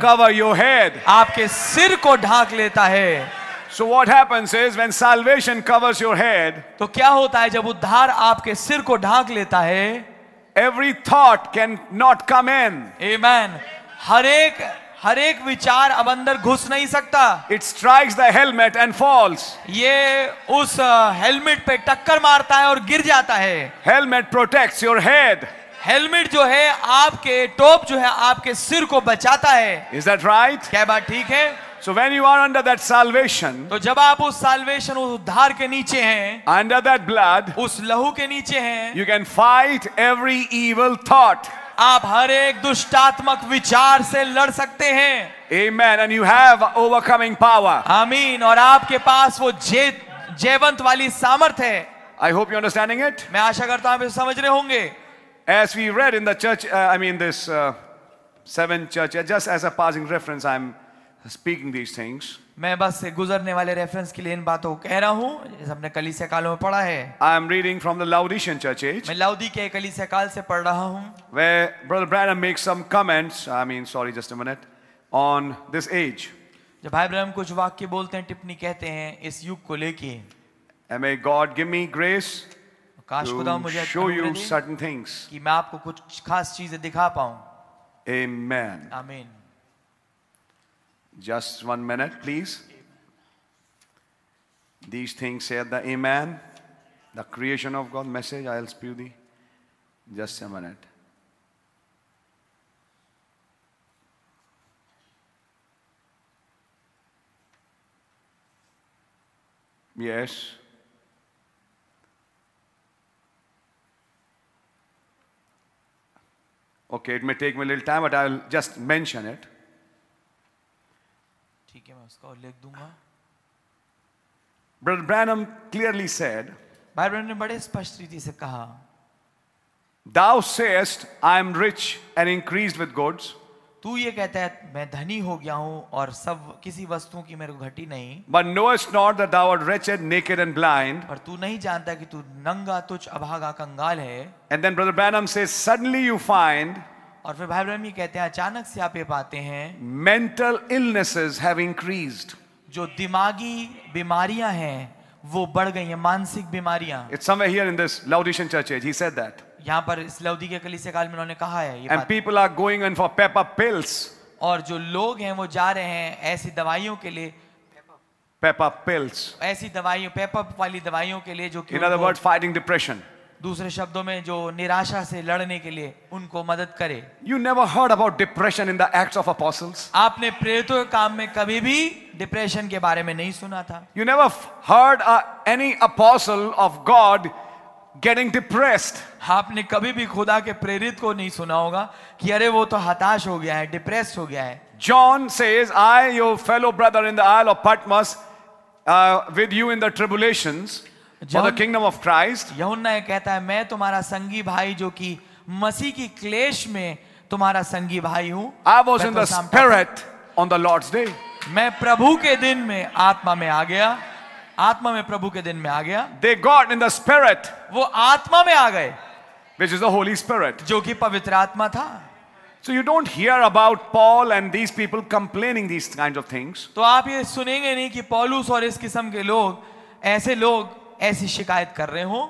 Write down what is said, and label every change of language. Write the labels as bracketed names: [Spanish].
[English] Cover your head. [Hindi] आपके सिर को ढाक लेता है. [English] So what happens is when salvation covers your head. [Hindi] तो क्या होता है जब उद्धार आपके सिर को ढाक लेता है? [English] Every thought can not come in. Amen. [Hindi] हर एक विचार अब अंदर घुस नहीं सकता. [English] It strikes the helmet and falls. [Hindi] ये उस helmet पे टक्कर मारता है और गिर जाता है. [English] Helmet protects your head. [Hindi] Helmet जो है आपके टॉप जो है आपके सिर को बचाता है. [English] Is that right? [Hindi] क्या बात ठीक है. [English] So when you are under that salvation, [Hindi] तो जब आप उस salvation उस उद्धार के नीचे हैं, [English] under that blood, [Hindi] उस लहू के नीचे हैं, [English] you can fight every evil thought. [Hindi] आप हर एक दुष्टात्मक विचार से लड़ सकते हैं. [English] Amen. And you have overcoming power. [Hindi] आमीन. और आपके पास वो जयवंत वाली सामर्थ है. [English] I hope you're understanding it. [Hindi] मैं आशा करता हूं आप इसे समझ रहे होंगे. [English] As we read in the church, this seven church, just as a passing reference, I'm speaking these things. [Hindi] मैं बस गुजरने वाले reference के लिए इन बातों कह रहा हूँ, जैसे हमने कलीसिया कालों में पढ़ा है. [English] I'm reading from the Laodicean church age. [Hindi] मैं लौदी के कलीसिया काल से पढ़ रहा हूँ. [English] Where Brother Branham makes some comments, just a minute, on this age. [Hindi] जब भाई ब्रैनम कुछ वाक्य बोलते हैं, टिप्पणी कहते हैं इस युग को लेके. [English] And may God give me grace. [Hindi] काश खुदा मुझे [English] show you certain things. [Hindi] कि मैं आपको कुछ खास चीजें दिखा पाऊं. [English] Amen. Amen. Just one minute, please. Amen. These things said the Amen, the creation of God message. I'll spew the. Just a minute. Yes. Okay, it may take me a little time, but I'll just mention it. [Hindi] ठीक है, मैं उसका लिख दूंगा. [English] Brother Branham clearly said. [Hindi] भाई Branham ने बड़े स्पष्ट रीति से कहा. [English] Thou sayest, I am rich and increased with goods. [Hindi] तू ये कहता है मैं धनी हो गया हूँ और सब किसी वस्तुओं की मेरे को घटी नहीं. [English] But knowest not that thou art wretched, naked and blind. [Hindi] पर तू नहीं जानता कि तू नंगा तुच्छ अभागा कंगाल है. [English] And then Brother Branham says, suddenly you find. [Hindi] और फिर भाई ब्रैनम कहते हैं अचानक से आप ये पाते हैं. [English] Mental illnesses have increased. [Hindi] जो दिमागी बीमारियां हैं वो बढ़ गई हैं, मानसिक बीमारियां. [English] It's somewhere here in this Laodicean church age. He said that. [Hindi] यहाँ पर इस लौदी के कलीसिया काल में उन्होंने कहा है ये बात. [English] And people are going in for pep up pills. [Hindi] और जो लोग हैं वो जा रहे हैं ऐसी दवाइयों के लिए. [English] Pep up pills. [Hindi] ऐसी दवाइयों pep up वाली दवाइयों के लिए जो. [English] In other words, fighting depression. [Hindi] दूसरे शब्दों में जो निराशा से लड़ने के लिए उनको मदद करे. [English] You never heard about depression in the Acts of Apostles. [Hindi] आपने प्रेरितों के काम में कभी भी depression के बारे में नहीं सुना था. [English] You never heard any apostle of God getting depressed. [Hindi] आपने कभी भी खुदा के प्रेरित को नहीं सुना होगा कि अरे वो तो हताश हो गया है, depressed हो गया है. [English] John says, I, your fellow brother in the Isle of Patmos, with you in the tribulations. For the kingdom of Christ. [Hindi] यहुन्ना कहता है मैं तुम्हारा संगी भाई जो कि मसीह की क्लेश में तुम्हारा संगी भाई हूँ. [English] I was in the spirit on the Lord's day. [Hindi] मैं प्रभु के दिन में आत्मा में आ गया. आत्मा में प्रभु के दिन में आ गया. [English] They got in the spirit. [Hindi] वो आत्मा में आ गए. [English] Which is the Holy Spirit. [Hindi] जो कि पवित्र आत्मा था. [English] So you don't hear about Paul and these people complaining these kinds of things. [Hindi] तो आप ये सुनेंगे नहीं कि पौलुस और इस किस्म के लोग ऐसे लोग ऐसी शिकायत कर रहे हो.